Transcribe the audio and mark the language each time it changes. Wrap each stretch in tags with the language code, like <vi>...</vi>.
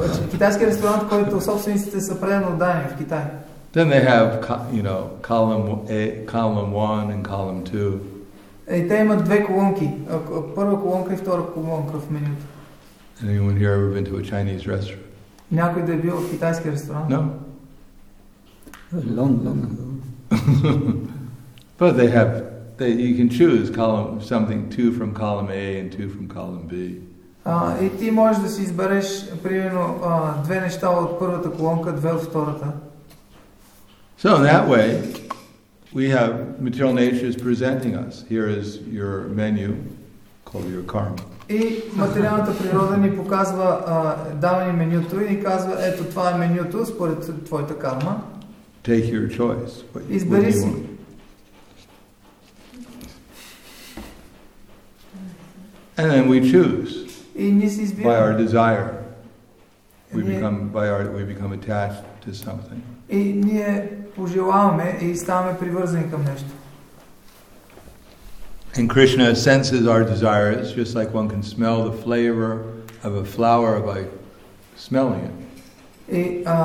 <bg>Китайски ресторант, който собствениците са преданодани в Китай.</bg> <en>Then they have, you know, column 1 and column 2. Hey, they have two columns. First column and second column in the menu. Anyone here ever been to a Chinese restaurant?</en> <bg>Някой да е бил в китайски ресторант?</bg> <en>No. Long. But they have, you can choose column something 2 from column A and 2 from column B.</en> <bg>И ти можеш да си избереш примерно две неща от първата колонка, две от втората.</bg> <en>So in that way, we have material nature is presenting us. Here is your menu called your karma.</en> <bg>И материалната природа ни показва, дава ни менюто и ни казва, ето това е менюто според твоята карма.</bg> <en>Take your choice.</en> <bg>Избери си.</bg> <en>And then we choose.</en> <bg>И ние си избираме.</bg> <en>By our desire. We become attached to something.</en> <bg>И ние пожелаваме и ставаме привързани към нещо.</bg> <en>And Krishna senses our desires just like one can smell the flavor of a flower by smelling it.</en>